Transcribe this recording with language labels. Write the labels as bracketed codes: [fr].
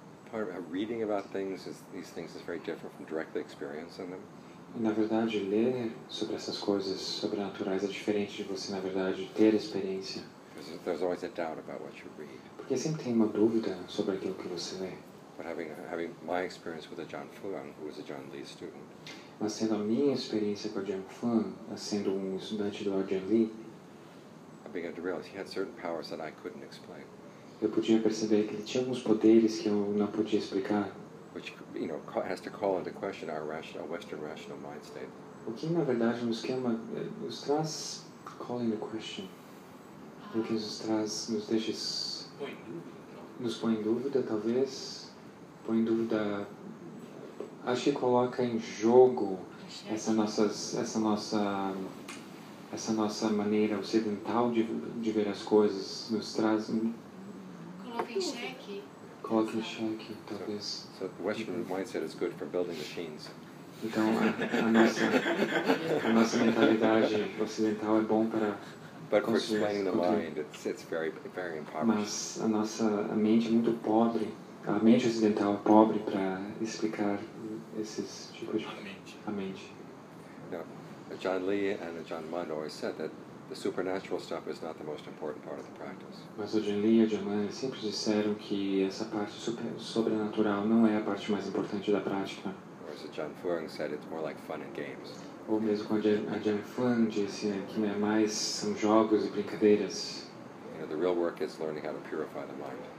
[en] Part of reading about things is these things is very different from directly experiencing them. [pt] Na verdade, ler sobre essas coisas sobrenaturais é diferente de você, na verdade, ter experiência. [en] There's always a doubt about what you read. [pt] Porque sempre tem uma dúvida sobre aquilo que você lê. [en] but having my experience with a Jian Fuang, who was a Jian Li student. [pt] Mas tendo a minha experiência com a Jian Fuang, sendo estudante do Jian Li, [en] I began to realize he had certain powers that I couldn't explain. [pt] Eu podia perceber que ele tinha alguns poderes que eu não podia explicar. [en] Which, you know, has to call into question our rational, Western rational mind state. [pt] O que, na verdade, nos traz [en] call into question. [pt] Porque nos traz, nos deixa... Nos põe em dúvida, talvez. Põe em dúvida... Acho que coloca em jogo essa nossa maneira ocidental de ver as coisas. Nos traz... Coloca em xeque, talvez. [en] So the Western mindset is good for building machines. [pt] Então, a nossa mentalidade ocidental é bom para... [en] But for explaining the mind, it's very, very impoverished. [pt] Mas a nossa mente é muito pobre. A mente ocidental é pobre para explicar esses tipos de... A mente. [en] Now, Jian Li and Jian Mun always said that the supernatural stuff is not the most important part of the practice. [pt] Mas o Jian Li e o Jian Mun sempre disseram que essa parte sobrenatural não é a parte mais importante da prática. [en] Or as Jian Fuang said, it's more like fun and games. [pt] Ou mesmo quando a Jian Fuang disse que não é mais são jogos e brincadeiras. [en] You know, the real work is learning how to purify the mind.